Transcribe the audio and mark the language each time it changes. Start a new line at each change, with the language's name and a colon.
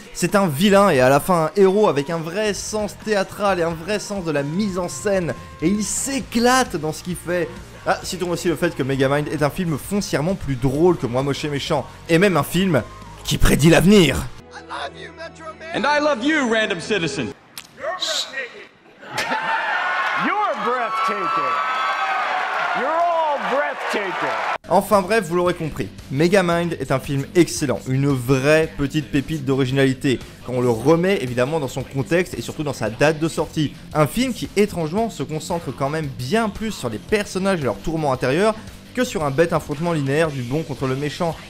French: C'est un vilain et à la fin un héros avec un vrai sens théâtral et un vrai sens de la mise en scène. Et il s'éclate dans ce qu'il fait. Ah, citons aussi le fait que Megamind est un film foncièrement plus drôle que Moi Moche et Méchant, et même un film qui prédit l'avenir.
English: And I love you, random citizen. You're breathtaking. You're breathtaking. You're all breathtaking.
French: Enfin bref, vous l'aurez compris, Megamind est un film excellent, une vraie petite pépite d'originalité, quand on le remet évidemment dans son contexte et surtout dans sa date de sortie. Un film qui étrangement se concentre quand même bien plus sur les personnages et leurs tourments intérieurs que sur un bête affrontement linéaire du bon contre le méchant.